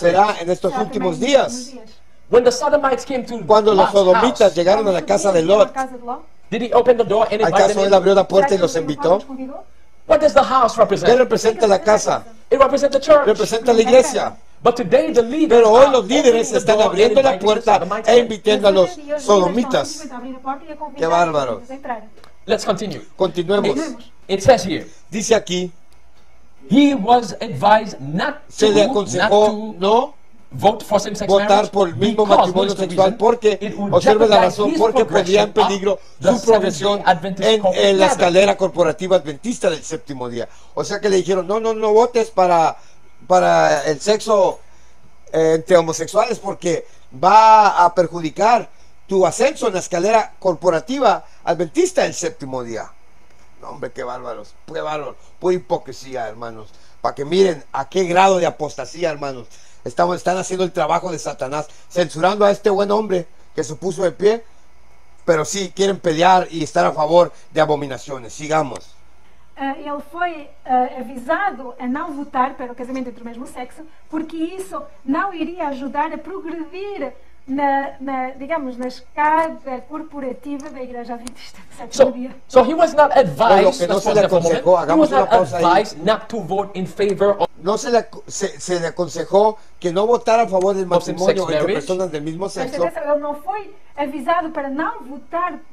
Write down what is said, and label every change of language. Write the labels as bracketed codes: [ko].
[pt] será em estes últimos dias. [en] When the Sodomites came to [pt] quando [en] Lot's [pt] os sodomitas [en] house, [pt] chegaram na casa de Lot. [en] Did he open the door and invite [es] ¿acaso [en] them [es] él abrió la puerta y los invitó? [en] What does the house represent? [es] ¿Qué representa la casa? [en] It represents the church. [es] Representa la iglesia. [en] But today the leaders [es] pero hoy los líderes están abriendo la puerta e invitando a los sodomitas. ¡Qué bárbaro! [en] Let's continue. [es] Continuemos. [en] It says here, [es] dice aquí, [en] he was advised not to, [es] se le aconsejó no [en] vote for same-sex marriage [es] votar por el mismo matrimonio sexual porque observe la razón porque pondría en peligro su progresión en la escalera corporativa adventista del séptimo día. O sea que le dijeron no votes para el sexo entre homosexuales porque va a perjudicar tu ascenso en la escalera corporativa adventista del séptimo día. No, hombre, qué bárbaros, qué bárbaro, pura hipocresía, hermanos, para que miren a qué grado de apostasía, hermanos. Están haciendo el trabajo de Satanás, censurando a este buen hombre que se puso de pie, pero sí quieren pelear y estar a favor de abominaciones. Sigamos. [pt] Ele foi avisado a não votar para o casamento entre o mesmo sexo, porque isso não iria ajudar a progredir na escada corporativa da Igreja Adventista do Sétimo Dia. [en] So he was not advised, [es] por lo que no se le aconsejó, hagamos una pausa ahí. [en] Not to vote in favor of [es] no se le, se le aconsejó que no votara a favor del matrimonio entre personas del mismo sexo. [pt] Ele não foi avisado para não votar